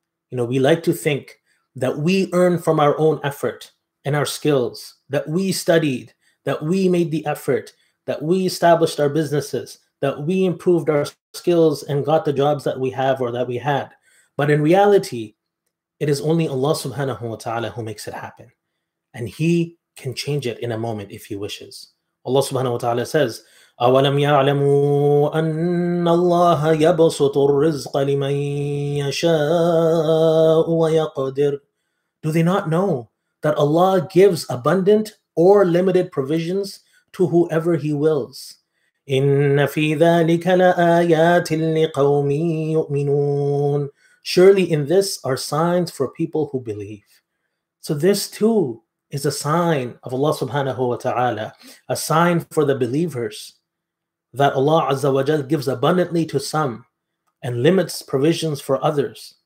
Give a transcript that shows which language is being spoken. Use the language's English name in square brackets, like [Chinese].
[English] You know, we like to think that we earn from our own effort and our skills, that we studied, that we made the effort, that we established our businesses, that we improved our skills and got the jobs that we have or that we had. But in reality, it is only Allah subhanahu wa ta'ala who makes it happen. And He can change it in a moment if He wishes. Allah subhanahu wa ta'ala says, [Arabic] أَوَلَمْ يَعْلَمُوا أَنَّ اللَّهَ يَبْسُطُ الرِّزْقَ لِمَنْ يَشَاءُ وَيَقْدِرُ. [English] Do they not know that Allah gives abundant or limited provisions to whoever He wills? [Arabic] إِنَّ فِي ذَلِكَ لَآيَاتٍ لِقَوْمٍ يُؤْمِنُونَ. [English] Surely in this are signs for people who believe. So this too is a sign of Allah subhanahu wa ta'ala, a sign for the believers, that Allah Azza wa Jal gives abundantly to some and limits provisions for others.